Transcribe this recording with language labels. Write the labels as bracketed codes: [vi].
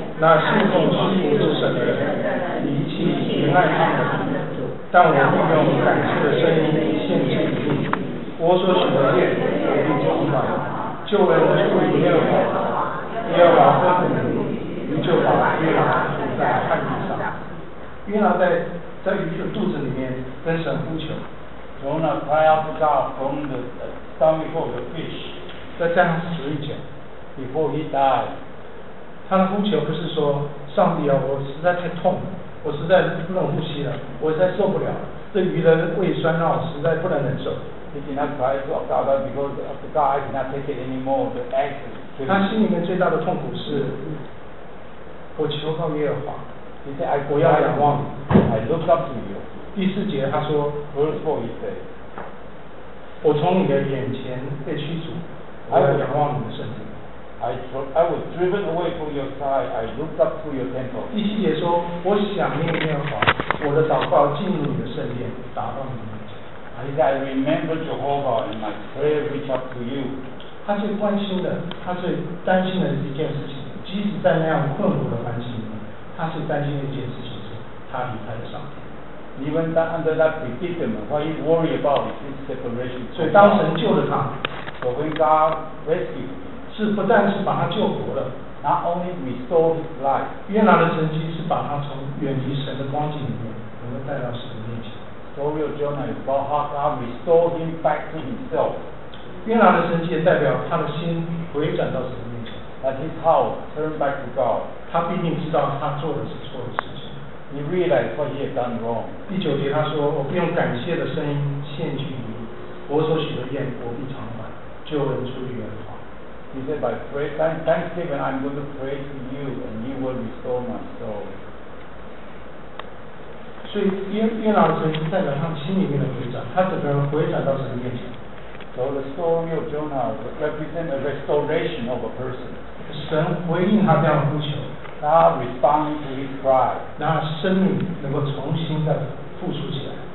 [zh] 那信奉虚无之神的人，离弃平安他们，但我必用感激的声音献祭你。我所许的愿，我必成全。救恩的主耶和华，耶和华吩咐你，你就把约拿处在旱地上。约拿在鱼的肚子里面跟神呼求。 [en] Jonah cried out to God from the stomach of the fish. [zh] 在这样死以前 [en] ，before he died， [zh] 他的呼求不是说：“上帝啊，我实在太痛了，我实在不能呼吸了，我实在受不了，这鱼的胃酸啊，实在不能忍受。” [en] He did not cry to God because of the God did not take it anymore. The act. [zh] 他心里面最大的痛苦是，我求告耶和华。 [en] He said, "I cry to God. I look up to you." [zh] 第四节他说 [en] ，Verse four, he said, [zh] 我从你的眼前被驱逐，我仰望你的圣殿。 [en] I was driven away from your sight. I looked up to your temple. [zh] 第七节说，我想念耶和华，我的祷告进入你的圣殿，达到你的面前。 [en] He said, "I remember Jehovah and my prayer reached up to you." [zh] 他最关心的，他最担心的是一件事情，即使在那样困苦的环境里面，他是担心的一件事情是，他离开了上帝。 [en] Even under that predicament, what he worried about is his separation. [zh] 所以当神救了他 [en] ，So when God rescued him, [zh] 是不但是把他救活了 [en] ，not only restored his life. [zh] 约拿的神迹是把他从远离神的光景里面，能够带到神的面前。 [en] Story of Jonah is about how God restored him back to himself. [zh] 约拿的神迹也代表他的心回转到神的面前 [en] ，that his heart turned back to God. [zh] 他必定知道他做的是错的事。 [en] He realized what he had done wrong. [zh] 第九节他说：“我不用感谢的声音献祭你，我所许的愿我必偿还，救恩出于耶和华。” [en] He said, "By thanksgiving, I'm going to pray to you, and you will restore my soul." [zh] 所以约拿的神迹代表他心里面的回转，他整个人回转到神面前。 [en] So the story of Jonah represents a restoration of a person. [zh] 神回应他这样的呼求。 [en] God responding to his cry, [zh] 让生命能够重新的复苏起来